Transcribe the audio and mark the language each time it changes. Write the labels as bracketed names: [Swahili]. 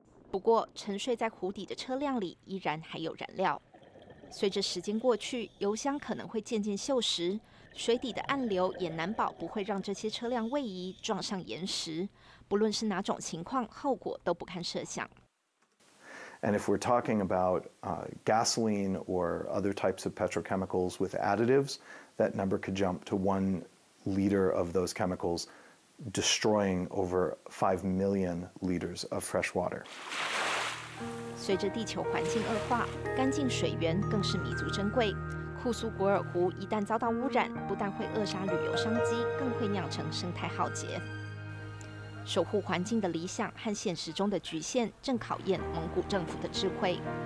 [Chinese] 不过，沉睡在湖底的车辆里依然还有燃料。随着时间过去，油箱可能会渐渐锈蚀，水底的暗流也难保不会让这些车辆位移撞上岩石。不论是哪种情况，后果都不堪设想。 [English] And if we're talking about gasoline or other types of petrochemicals with additives, that number could jump to 1 liter of those chemicals, destroying over 5 million liters of fresh water. [Chinese] 随着地球环境恶化，干净水源更是弥足珍贵。库苏古尔湖一旦遭到污染，不但会扼杀旅游商机，更会酿成生态浩劫。守护环境的理想和现实中的局限，正考验蒙古政府的智慧。